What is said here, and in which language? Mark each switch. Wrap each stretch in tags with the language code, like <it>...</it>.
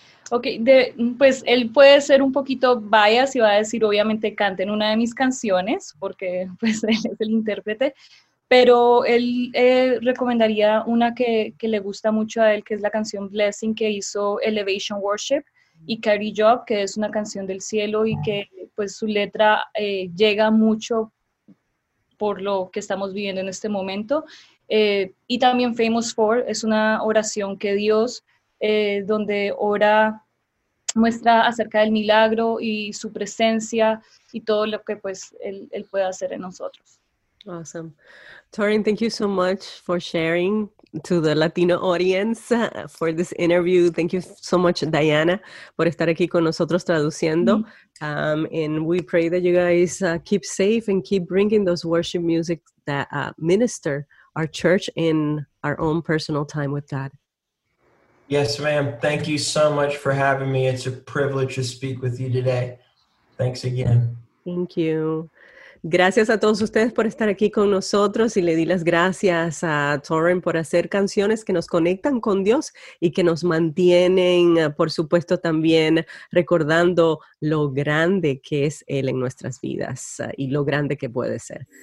<es>Okay, pues él puede ser un poquito biased y va a decir, obviamente, canten una de mis canciones, porque pues él es el intérprete, pero él recomendaría una que le gusta mucho a él, que es la canción Blessing, que hizo Elevation Worship, y Carry Job, que es una canción del cielo, y que pues su letra llega mucho por lo que estamos viviendo en este momento. Y también Famous Four, es una oración que Dios... donde ora, muestra acerca del milagro y su presencia y todo lo que pues él puede hacer en nosotros.</es> <en>Awesome. Torin, thank you so much for sharing to the Latino audience for this interview. Thank you so much,</en> <es>Diana, por estar aquí con nosotros traduciendo. Mm-hmm.</es> <en>And we pray that you guys keep safe and keep bringing those worship music that minister our church in our own personal time with God. Yes, ma'am. Thank you so much for having me. It's a privilege to speak with you today. Thanks again. Thank you.</en> <es>Gracias a todos ustedes por estar aquí con nosotros y le di las gracias a Torin por hacer canciones que nos conectan con Dios y que nos mantienen, por supuesto, también recordando lo grande que es Él en nuestras vidas y lo grande que puede ser.</es>